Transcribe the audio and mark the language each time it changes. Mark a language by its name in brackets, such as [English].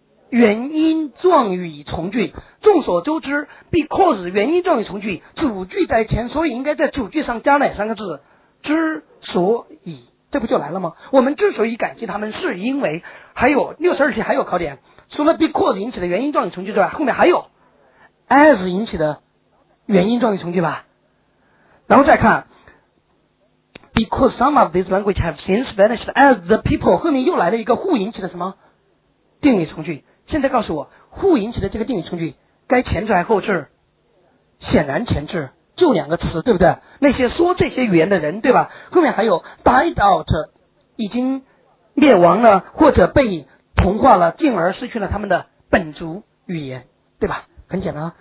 [Chinese] 原因状语从句。众所周知 because 原因状语从句主句在前，所以应该在主句上加哪三个字？之所以，这不就来了吗？我们之所以感激他们是因为，还有62题还有考点，除了 because 引起的原因状语从句之外，后面还有 as 引起的原因状语从句吧。然后再看 [English] because some of these language have since vanished as the people， [Chinese] 后面又来了一个 who 引起的什么定语从句。现在告诉我 who 引起的这个定语从句该前置还后置？显然前置，就两个词，对不对？那些说这些语言的人，对吧？后面还有 [English] died out， [Chinese] 已经灭亡了或者被同化了，进而失去了他们的本族语言，对吧？很简单啊。